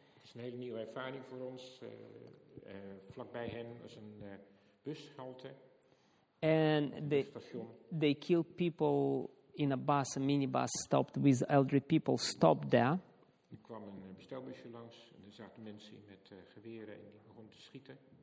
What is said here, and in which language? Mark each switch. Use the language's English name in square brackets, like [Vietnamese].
[Dutch] Het is een hele nieuwe ervaring voor ons. Vlakbij hen was een bushalte. [English] And they killed people in a bus, a minibus stopped with elderly people stopped there. [Dutch] Er kwam een bestelbusje langs en er zaten mensen met geweren en die begonnen te schieten.